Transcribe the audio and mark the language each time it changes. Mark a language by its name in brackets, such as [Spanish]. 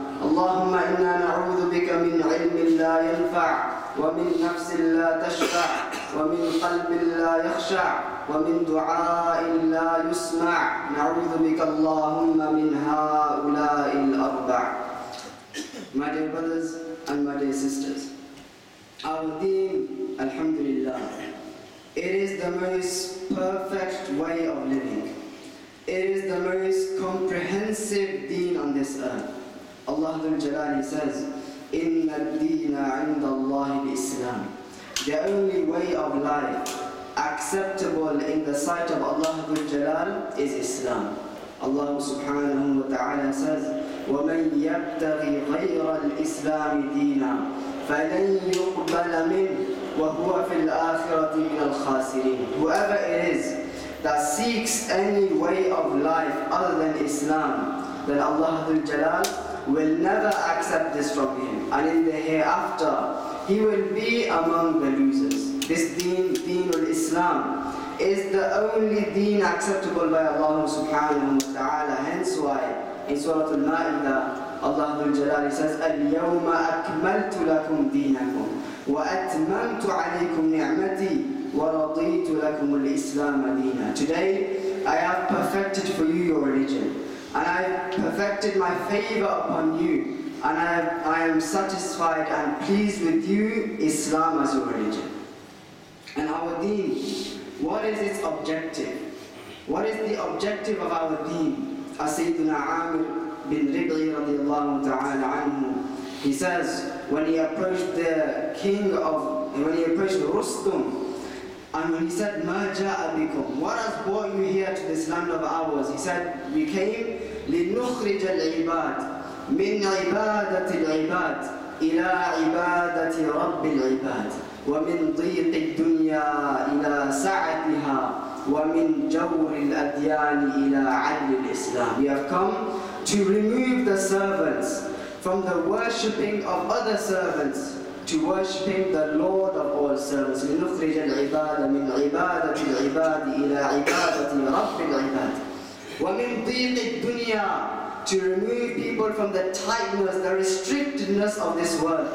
[Arabic] اللهم إنا نعوذ بك من علم لا ينفع، ومن نفس لا تشبع، ومن قلب لا يخشع، ومن دعاء لا يسمع. نعوذ بك اللهم من هؤلاء الأربع. [English] My dear brothers and my dear sisters, our deen, alhamdulillah, it is the most perfect way of living. It is the most comprehensive deen on this earth. Allah Dhul Jalali says, [Arabic] إِنَّ الدِّينَ عِنْدَ اللَّهِ الْإِسْلَامِ. [English] The only way of life acceptable in the sight of Allah Dhul Jalal is Islam. Allah subhanahu wa ta'ala says, [Arabic] وَمَنْ يَبْتَغِ غَيْرَ الْإِسْلَامِ دِينًا فَلَنْ يُقْبَلَ مِنْهُ وَهُوَ فِي الْآخِرَةِ مِنَ الْخَاسِرِينَ. [English] Whoever it is that seeks any way of life other than Islam, then Allah Dhul Jalal will never accept this from him. And in the hereafter, he will be among the losers. This deen, deen al-Islam, is the only deen acceptable by Allah subhanahu wa ta'ala. Hence why, in Surah Al-Ma'idah, Allah Dhul Jalali says, [Arabic] الْيَوْمَ أَكْمَلْتُ لَكُمْ دِينَكُمْ وَأَتْمَمْتُ عَلَيْكُمْ نِعْمَتِي وَرَضِيتُ لَكُمُ الْإِسْلَامَ دِينًا. [English] Today, I have perfected for you your religion, and I have perfected my favor upon you, and I am satisfied and pleased with you, Islam, as your religion. And our deen, what is its objective? What is the objective of our deen? As Sayyidina Amir bin Ribli radiallahu ta'ala anhu, he says, when he approached the king of, when he approached Rustum, and when he said, [Arabic] ما جاء بكم, [English] what has brought you here to this land of ours? He said, we came [Arabic] لنخرج العباد من عبادة العباد إلى عبادة رب العباد ومن ضيق الدنيا إلى سعتها وَمِنْ جَوْرِ الْأَدْيَانِ إِلَىٰ عَلِّ الْإِسْلَامِ. [English] We have come to remove the servants from the worshipping of other servants to worshipping the Lord of all servants. [Arabic] لِنُخْرِجَ الْعِبَادَ مِنْ عِبَادَةِ الْعِبَادِ إِلَىٰ عِبَادَةِ رَبِّ الْعِبَادِ. وَمِنْ ضِيقِ الدُّنْيَا, [English] to remove people from the tightness, the restrictedness of this world.